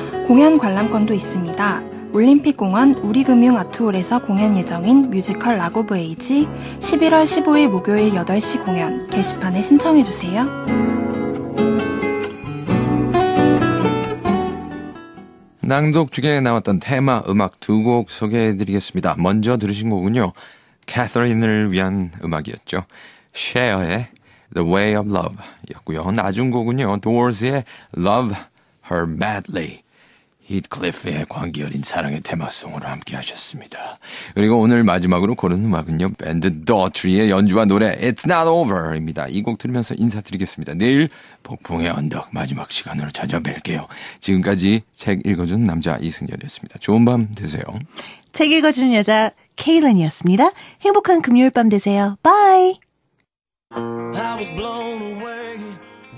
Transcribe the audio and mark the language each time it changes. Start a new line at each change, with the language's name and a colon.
Korean: 공연 관람권도 있습니다. 올림픽공원 우리금융아트홀에서 공연 예정인 뮤지컬 라고브에이지 11월 15일 목요일 8시 공연 게시판에 신청해주세요. 낭독 중에 나왔던 테마 음악 두 곡 소개해드리겠습니다. 먼저 들으신 곡은요. 캐서린을 위한 음악이었죠. 쉐어의 The Way of Love였고요. 나중 곡은요. Doors의 Love Her Madly. 히트클리프의 광기어린 사랑의 테마송으로 함께 하셨습니다. 그리고 오늘 마지막으로 고른 음악은요. 밴드 더트리의 연주와 노래 It's Not Over입니다. 이 곡 들으면서 인사드리겠습니다. 내일 폭풍의 언덕 마지막 시간으로 찾아뵐게요. 지금까지 책 읽어주는 남자 이승열이었습니다. 좋은 밤 되세요. 책 읽어주는 여자 케일린이었습니다. 행복한 금요일 밤 되세요.
English: Bye! I was blown away.